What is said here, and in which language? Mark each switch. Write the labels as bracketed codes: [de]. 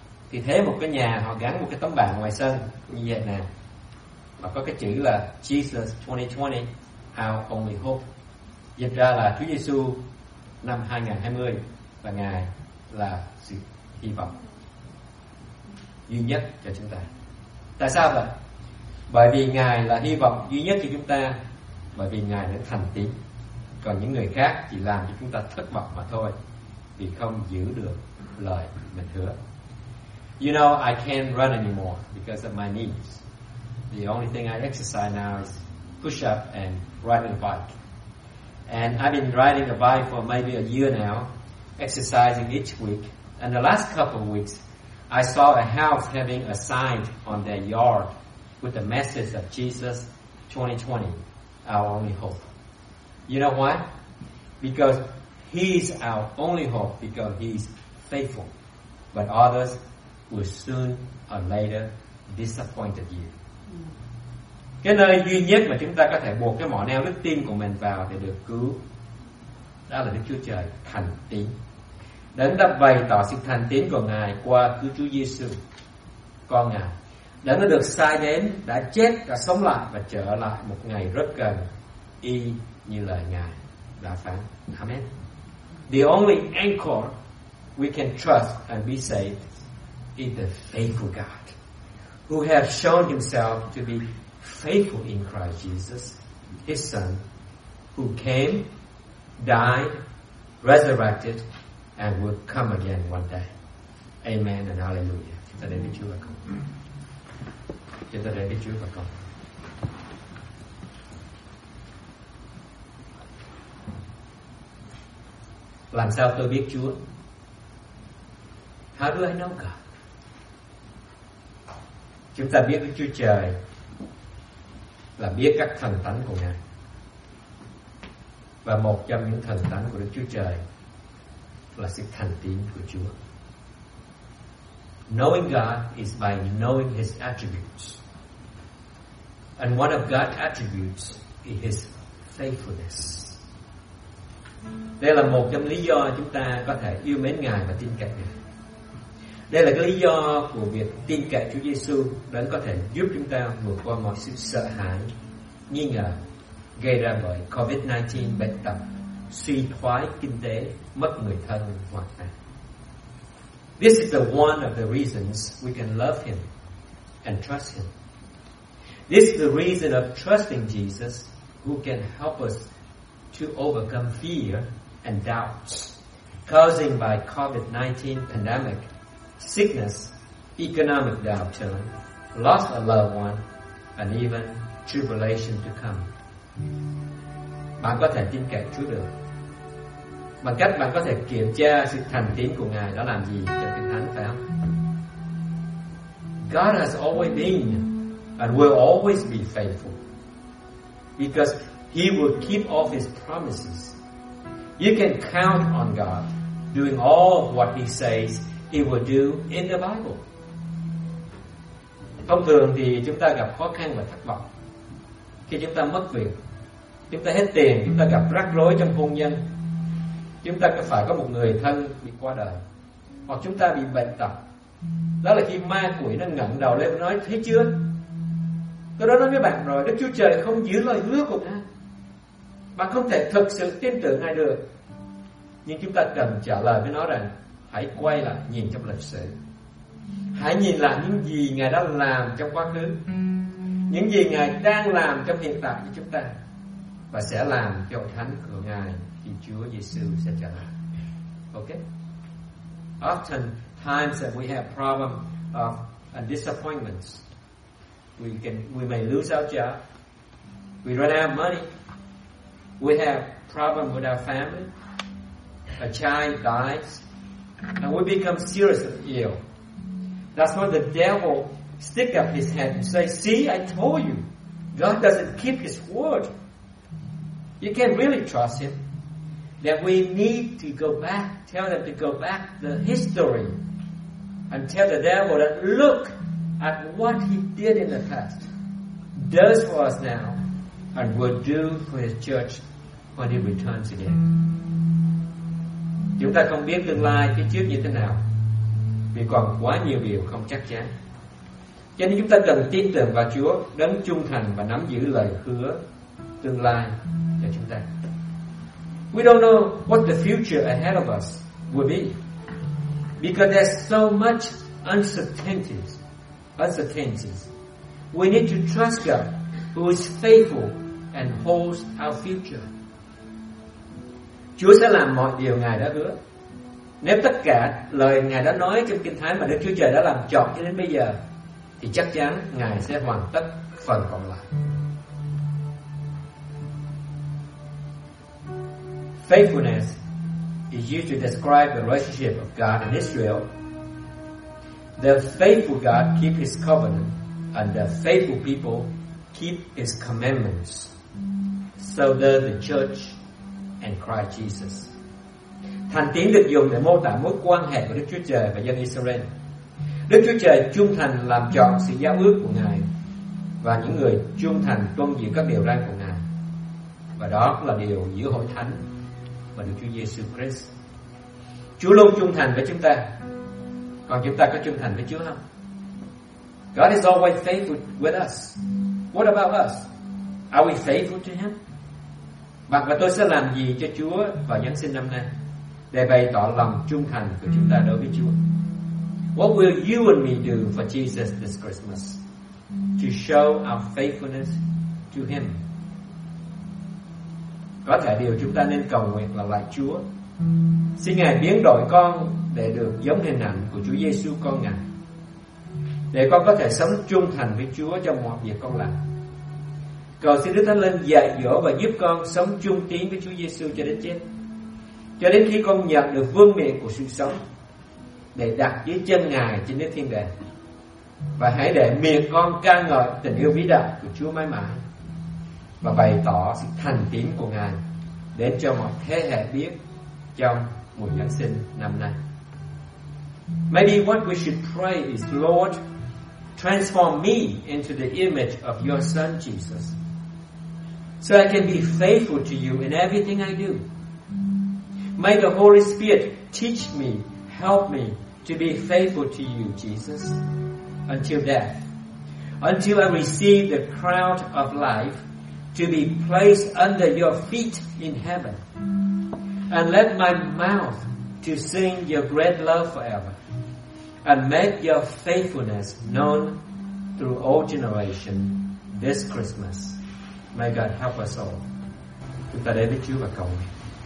[vi] Thì thấy một cái nhà họ gắn một cái tấm bảng ngoài sân như vậy nè, mà có cái chữ là [en] Jesus 2020, our only hope, [vi] dịch ra là Chúa Giêsu năm 2020, và Ngài là sự hy vọng duy nhất cho chúng ta. Tại sao vậy? Bởi vì Ngài là hy vọng duy nhất cho chúng ta, bởi vì Ngài đã thành tín. Còn những người khác chỉ làm cho chúng ta thất vọng mà thôi, vì không giữ được lời mình hứa. [en] You know, I can't run anymore because of my knees. The only thing I exercise now is push up and riding a bike. And I've been riding a bike for maybe a year now, exercising each week. And the last couple of weeks, I saw a house having a sign on their yard with the message of Jesus 2020, our only hope. You know why? Because he's our only hope, because he's faithful. But others will soon or later disappoint you. [vi] Cái nơi duy nhất mà chúng ta có thể buộc cái mỏ neo đức tin của mình vào để được cứu, đó là Đức Chúa Trời thành tín. Đấng đã bày tỏ sự thành tín của Ngài qua cứu Chúa Giêsu, con Ngài. Đấng đã được sai đến, đã chết, đã sống lại và trở lại một ngày rất gần, y như lời Ngài đã phán. Amen. [en] The only anchor we can trust and be saved is the faithful God, who has shown himself to be faithful in Christ Jesus, his Son, who came, died, resurrected, and will come again one day. Amen and hallelujah. [vi] Chúng ta đến với Chúa và cầu. Chúng ta đến với Chúa và cầu. Làm sao tôi biết Chúa? [en] How do I know God? [vi] Chúng ta biết Chúa Trời là biết các thần thánh của Ngài. Và một trong những thần thánh của Đức Chúa Trời là sự thành tín của Chúa. [en] Knowing God is by knowing His attributes. And one of God's attributes is His faithfulness. [vi] Đây là một trong lý do chúng ta có thể yêu mến Ngài và tin cậy Ngài. Đây là cái lý do của việc tin cậy Chúa Giê-xu đấng có thể giúp chúng ta vượt qua mọi sự sợ hãi, nghi ngờ gây ra bởi COVID-19, bệnh tật, suy thoái kinh tế, mất người thân hoặc là. [en] This is the one of the reasons we can love Him and trust Him. This is the reason of trusting Jesus, who can help us to overcome fear and doubts causing by COVID-19 pandemic, sickness, economic downturn, loss of loved one, and even tribulation to come. [vi] Bạn có thể tin cậy Chúa được bằng cách bạn có thể kiểm tra sự thành tín của Ngài đã làm gì cho Kinh Thánh, phải không? [en] God has always been and will always be faithful because He will keep all His promises. You can count on God doing all of what He says He will do in the Bible. [vi] Thông thường thì chúng ta gặp khó khăn và thất vọng khi chúng ta mất việc, chúng ta hết tiền, chúng ta gặp rắc rối trong hôn nhân, chúng ta phải có một người thân bị qua đời, hoặc chúng ta bị bệnh tật. Đó là khi ma quỷ nó ngẩng đầu lên và nói, thấy chưa? Tôi đã nói với bạn rồi, Đức Chúa Trời không giữ lời hứa của Ngài. Bạn không thể thực sự tin tưởng Ngài được. Nhưng chúng ta cần trả lời với nó rằng, hãy quay lại nhìn trong lịch sử. Hãy nhìn lại những gì Ngài đã làm trong quá khứ, những gì Ngài đang làm trong hiện tại của chúng ta, và sẽ làm cho hội thánh của Ngài khi Chúa Giê-xu sẽ trở lại. [en] Ok. Often times that we have problem of disappointments, we may lose our job, we run out of money, we have problem with our family, a child dies, and we become seriously ill. That's why the devil stick up his head and say, see, I told you, God doesn't keep His word. You can't really trust Him. That we need to go back, tell them to go back the history and tell the devil that look at what He did in the past, does for us now, and will do for His church when He returns again. [vi] Chúng ta không biết tương lai phía trước như thế nào, vì còn quá nhiều điều không chắc chắn. Cho nên chúng ta cần tin tưởng vào Chúa, đấng trung thành và nắm giữ lời hứa tương lai cho chúng ta. [en] We don't know what the future ahead of us will be, because there's so much uncertainties. We need to trust God, who is faithful and holds our future. [vi] Chúa sẽ làm mọi điều Ngài đã hứa. Nếu tất cả lời Ngài đã nói trong Kinh Thánh mà Đức Chúa Trời đã làm trọn cho đến bây giờ, thì chắc chắn Ngài sẽ hoàn tất phần còn lại. [en] Faithfulness is used to describe the relationship of God and Israel. The faithful God keep His covenant, and the faithful people keep His commandments. So does the church and Christ Jesus. [vi] Thành tín được dùng để mô tả mối quan hệ của Đức Chúa Trời và dân Israel. Đức Chúa Trời trung thành làm trọn sự giao ước của Ngài, và những người trung thành tuân giữ các điều răn của Ngài. Và đó là điều giữa hội thánh và Đức Chúa Giê-xu Christ. Chúa luôn trung thành với chúng ta. Còn chúng ta có trung thành với Chúa không? [en] God is always faithful with us. What about us? Are we faithful to Him? [vi] Bạn và tôi sẽ làm gì cho Chúa vào Giáng sinh năm nay? để bày tỏ lòng trung thành của chúng ta đối với Chúa. [en] What will you and me do for Jesus this Christmas to show our faithfulness to Him? [vi] Có thể điều chúng ta nên cầu nguyện là lạy Chúa, xin Ngài biến đổi con để được giống hình ảnh của Chúa Giêsu con Ngài, để con có thể sống trung thành với Chúa trong mọi việc con làm. Cầu xin Đức Thánh Linh dạy dỗ và giúp con sống trung tín với Chúa Giêsu cho đến chết, cho đến khi con nhận được vương miện của sự sống để đặt dưới chân Ngài trên đất thiên đàng. Và hãy để miệng con ca ngợi tình yêu vĩ đại của Chúa mãi mãi và bày tỏ sự thành tín của Ngài để cho mọi thế hệ biết trong mùa Giáng sinh năm nay. [en] Maybe what we should pray is, Lord, transform me into the image of your Son Jesus, so I can be faithful to you in everything I do. May the Holy Spirit teach me, help me to be faithful to you, Jesus, until death, until I receive the crown of life to be placed under your feet in heaven, and let my mouth to sing your great love forever, and make your faithfulness known through all generation this Christmas. May God help us all. [vi] Chúng ta đến với Chúa và cầu nguyện.